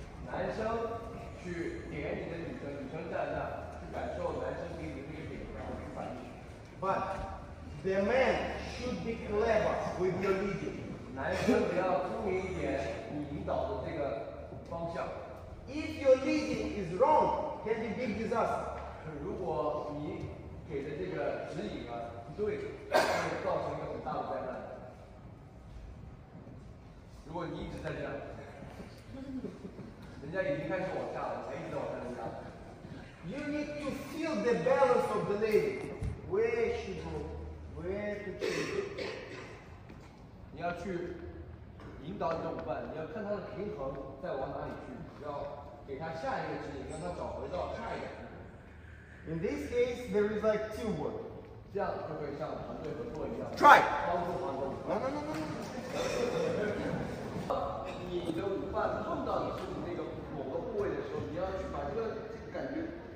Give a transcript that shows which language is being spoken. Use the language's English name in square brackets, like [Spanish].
[Chinese] 男生去点你的女生，女生站那去感受男生给你的点，然后去反应。 [English] But, the man should be clever with your leading. [Chinese] 男生也要聪明一点，你引导的这个方向。 [English] If your leading is wrong, can be big disaster. [Chinese] 如果你给的这个指引啊不对，会造成一个很大的灾难。如果你一直在这样，人家已经开始往下了，才一直往下增加。 [English] You need to feel the balance of the lady. Where she go? Where to change? [Chinese] 你要去引导你的舞伴，你要看她的平衡再往哪里去，要给她下一个指引，让她找回到下一个。 [English] In this case, there is like teamwork. [Chinese] 这样就会像团队合作一样。 [English] Try. [Chinese] 帮助团队。 [English] No. [Chinese] 你的舞伴碰到你身体那个某个部位的时候，你要去把这个感觉。